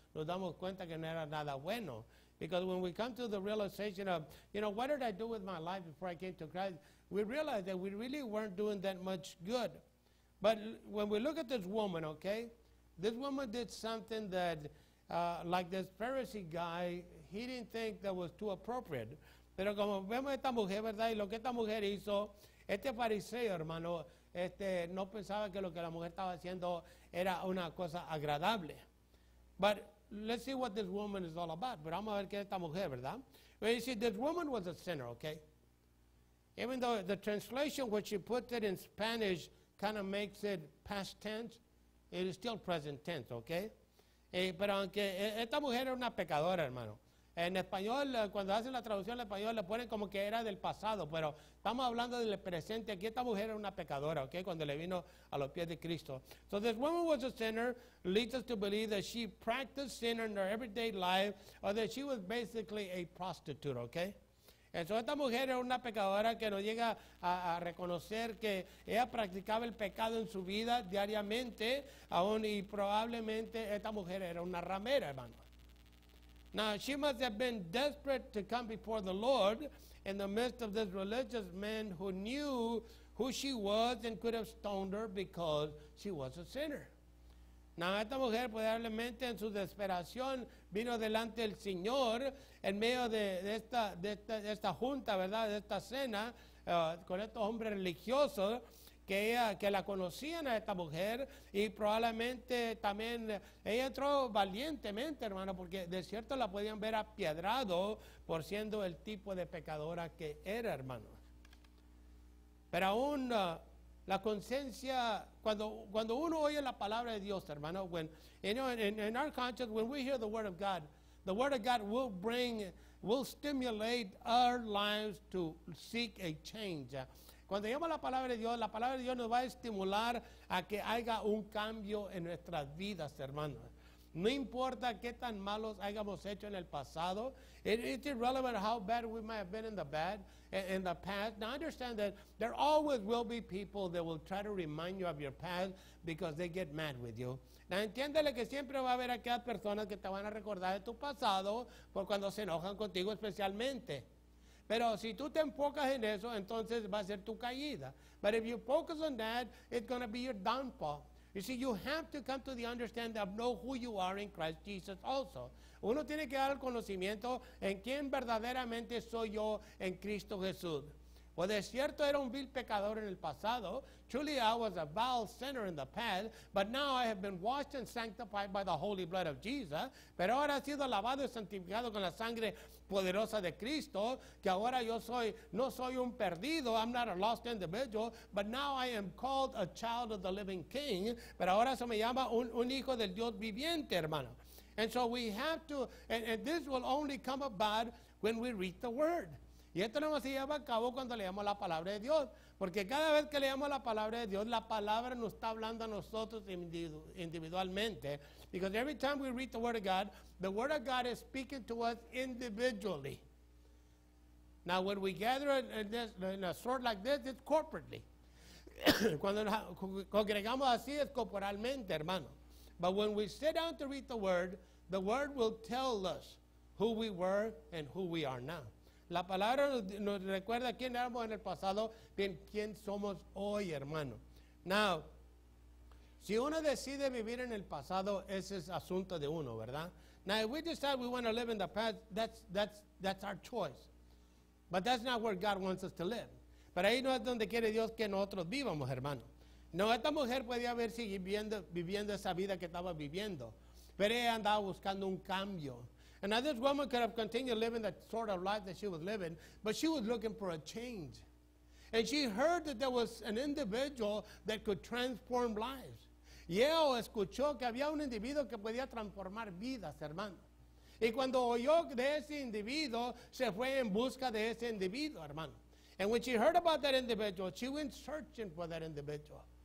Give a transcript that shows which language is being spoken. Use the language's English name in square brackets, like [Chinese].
[Spanish] Nos damos cuenta que no era nada bueno. [English] Because when we come to the realization of, you know, what did I do with my life before I came to Christ? We realize that we really weren't doing that much good. But when we look at this woman, okay? This woman did something that, like this Pharisee guy, he didn't think that was too appropriate. [Spanish] Pero como vemos esta mujer, ¿verdad? Y lo que esta mujer hizo, este fariseo, hermano, no pensaba que lo que la mujer estaba haciendo era una cosa agradable. [English] But let's see what this woman is all about. [Spanish] Pero vamos a ver qué es esta mujer, ¿verdad? [English] But you see, this woman was a sinner, okay? Even though the translation, which she put it in Spanish, kind of makes it past tense, it is still present tense, okay? [Spanish] Pero aunque esta mujer era una pecadora, hermano. En español, cuando hacen la traducción en español, le ponen como que era del pasado, pero estamos hablando del presente. Aquí esta mujer era una pecadora, okay? Cuando le vino a los pies de Cristo. [English] So this woman was a sinner, leads us to believe that she practiced sin in her everyday life, or that she was basically a prostitute, okay? [Spanish] Entonces esta mujer era una pecadora que no llega a reconocer que ella practicaba el pecado en su vida diariamente, aún y probablemente esta mujer era una ramera, hermano. [English] Now, she must have been desperate to come before the Lord in the midst of this religious man who knew who she was and could have stoned her because she was a sinner. [Spanish] Now, esta mujer probablemente en su desesperación vino delante del Señor en medio de esta junta, ¿verdad?, de esta cena con estos hombres religiosos que la conocían a esta mujer y probablemente también ella entró valientemente, hermano, porque de cierto la podían ver apiedrado por siendo el tipo de pecadora que era, hermano. Pero aún la conciencia, cuando uno oye la palabra de Dios, hermano, [English] when, you know, in our conscience, when we hear the word of God will bring, will stimulate our lives to seek a change. [Spanish] Cuando llamamos la palabra de Dios nos va a estimular a que haya un cambio en nuestras vidas, hermanos. No importa qué tan malos hayamos hecho en el pasado. [English] It's irrelevant how bad we might have been in the past. Now understand that there always will be people that will try to remind you of your past because they get mad with you. [Spanish] Now entiéndele que siempre va a haber aquellas personas que te van a recordar de tu pasado por cuando se enojan contigo especialmente. Pero si tú te enfocas en eso, entonces va a ser tu caída. [English] But if you focus on that, it's going to be your downfall. You see, you have to come to the understanding of know who you are in Christ Jesus also. [Spanish] Uno tiene que dar el conocimiento en quién verdaderamente soy yo en Cristo Jesús. Pues de cierto era un vil pecador en el pasado. [English] Truly I was a vile sinner in the past, but now I have been washed and sanctified by the holy blood of Jesus. [Spanish] Pero ahora he sido lavado y santificado con la sangre poderosa de Cristo, que ahora yo soy, no soy un perdido, [English] I'm not a lost individual, but now I am called a child of the living King. [Spanish] Pero ahora se me llama un hijo del Dios viviente, hermano. [English] And so we have to, and this will only come about when we read the word. [Spanish] Y esto no se lleva a cabo cuando leemos la palabra de Dios. Porque cada vez que leemos la palabra de Dios, la palabra nos está hablando a nosotros individualmente. [English] Because every time we read the word of God is speaking to us individually. Now, when we gather in a sort like this, it's corporately. [Spanish] Cuando congregamos así, es corporalmente, hermano. [English] But when we sit down to read the word will tell us who we were and who we are now. [Spanish] La palabra nos recuerda quién éramos en el pasado, bien, quién somos hoy, hermano. Now, si uno decide vivir en el pasado, ese es asunto de uno, ¿verdad? [English] Now, if we decide we want to live in the past, that's our choice. But that's not where God wants us to live. [Spanish] Pero ahí no es donde quiere Dios que nosotros vivamos, hermano. No, esta mujer podía haber seguido viviendo esa vida que estaba viviendo. Pero ella andaba buscando un cambio. [English] And now this woman could have continued living that sort of life that she was living, but she was looking for a change. And she heard that there was an individual that could transform lives. [Spanish] Y ella escuchó que había un individuo que podía transformar vidas, hermano. Y cuando oyó de ese individuo, se fue en busca de ese individuo, hermano. [English] And when she heard about that individual, she went searching for that individual.